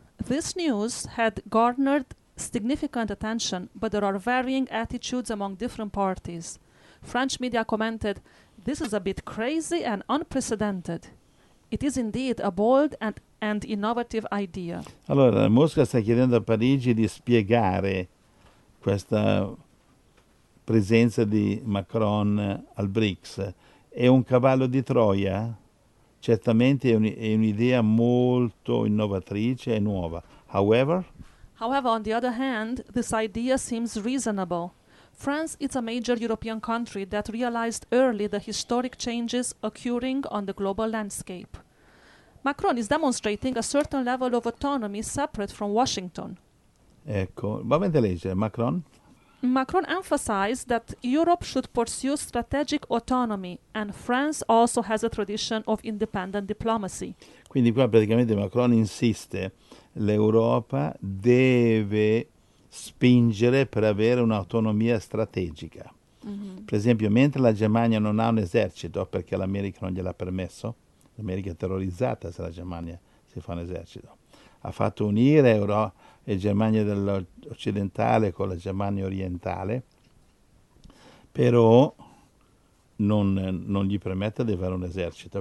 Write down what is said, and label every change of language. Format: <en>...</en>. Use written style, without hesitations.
<en>This news had garnered significant attention, but there are varying attitudes among different parties. French media commented, "This is a bit crazy and unprecedented. It is indeed a bold and innovative idea."</en> <it>Allora, Mosca sta chiedendo a Parigi di spiegare questa presenza di Macron al BRICS. È un cavallo di Troia? Certamente è un'idea molto innovatrice e nuova. However,</it> <en>on the other hand, this idea seems reasonable. France is a major European country that realized early the historic changes occurring on the global landscape. Macron is demonstrating a certain level of autonomy separate from Washington.</en> <it>Ecco, va bene leggere, Macron?</it> <en>Macron emphasized that Europe should pursue strategic autonomy and France also has a tradition of independent diplomacy.</en> <it>Quindi qua praticamente Macron insiste, l'Europa deve spingere per avere un'autonomia strategica. Mm-hmm. Per esempio, mentre la Germania non ha un esercito perché l'America non gliel'ha permesso, l'America è terrorizzata se la Germania si fa un esercito, ha fatto unire Europa e Germania dell'Occidentale con la Germania orientale, però non gli permette di avere un esercito.</it>